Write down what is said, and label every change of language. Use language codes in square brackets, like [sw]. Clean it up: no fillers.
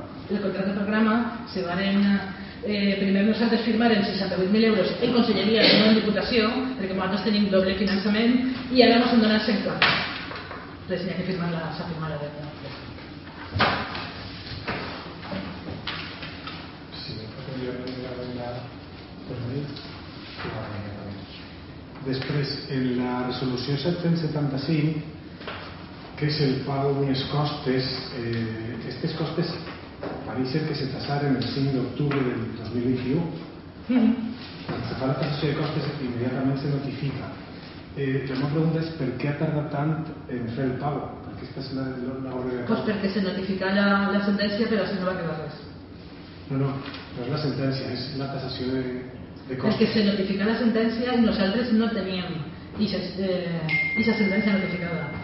[ca] El contracte programa se va en, primer nosaltres firmarem 68.000 euros en conselleria i no en diputació, perquè nosaltres tenim doble finançament, i ara ens han donat 104. [es] Entonces, hay que firmarla, se ha firmado la deuda. Si me puedo enviar la deuda por mí, que va a venir también. Después, en la resolución 775, que es el pago de unos costes, estos costes parece que se tasaron el 5 de octubre del 2021. Cuando se paga la tasación de costes, inmediatamente se notifica. [ca] La meva pregunta és per què ha tardat tant en fer el pago? Aquesta és la obra de... Pues perquè se notifica la sentència, però si no va quedar res. No, no és la sentència, és la tasació de costes. És que se notifica la sentència i nosaltres no teníem aquesta sentència notificada.